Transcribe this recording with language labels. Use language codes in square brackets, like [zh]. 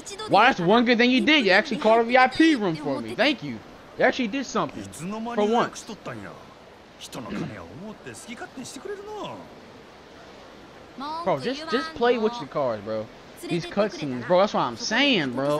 [en] Well, that's one good thing you did. You actually called a VIP room for me. Thank you. You actually did something. For once. [ja] いつの間に予約しとったんや。人の金を思って好き勝手にしてくれるな。 [en] Bro, just play with your cards, bro. These cutscenes, bro, that's what I'm saying, bro.